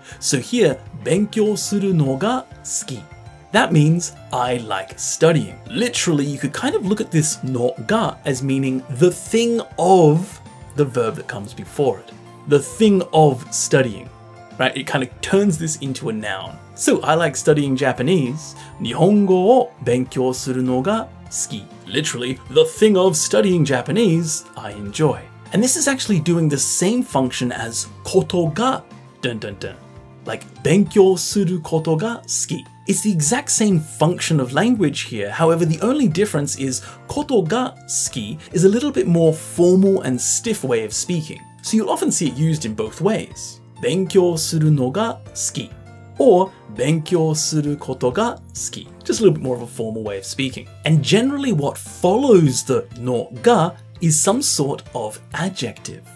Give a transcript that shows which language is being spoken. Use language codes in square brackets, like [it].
[en] So here, [ja] benkyō suru no ga suki. [en] That means I like studying. Literally, you could kind of look at this no ga as meaning the thing of the verb that comes before it. The thing of studying, right? It kind of turns this into a noun. So, I like studying Japanese. [ja] 日本語を勉強するのが好き. [en] Literally, the thing of studying Japanese, I enjoy. And this is actually doing the same function as ことが, dun dun dun. [ja] Like, 勉強することが好き. [en] It's the exact same function of language here. However, the only difference is [ja] ことが好き [en] is a little bit more formal and stiff way of speaking. So you'll often see it used in both ways. [ja] 勉強するのが好き. Or, 勉強することが好き. [en] Just a little bit more of a formal way of speaking. And generally what follows the no ga is some sort of adjective.